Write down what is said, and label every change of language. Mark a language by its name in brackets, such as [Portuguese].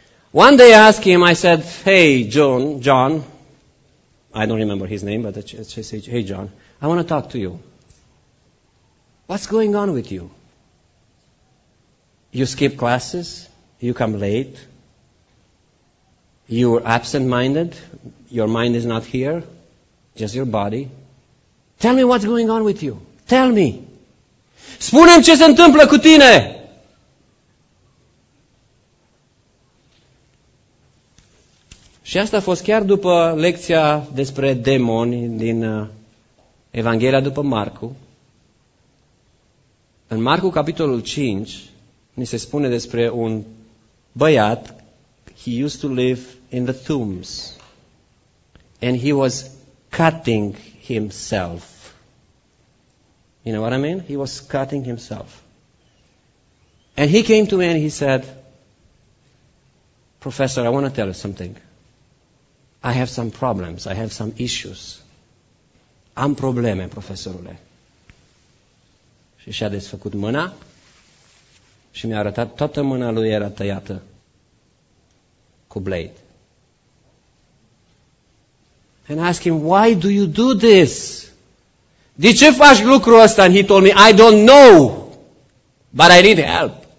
[English] One day I asked him, I said, hey, John, I don't remember his name, but I said, hey, John, I want to talk to you. What's going on with you? You skip classes? You come late? You're absent-minded, your mind is not here, just your body. Tell me what's going on with you. Tell me. [Romanian] Spune-mi ce se întâmplă cu tine. Și asta a fost chiar după lecția despre demoni din Evanghelia după Marcu. În Marcu capitolul 5 ni se spune despre un băiat. [English] He used to live in the tombs, and he was cutting himself. You know what I mean? He was cutting himself. And he came to me and he said, Professor, I want to tell you something. I have some problems. I have some issues. [Romanian] Am probleme, profesorule. Și și-a desfăcut mâna și mi-a arătat, toată mâna lui era tăiată cu blade. [English] And I asked him, why do you do this? [Romanian] De ce faci lucrul ăsta? [English] And he told me, I don't know, but I need help.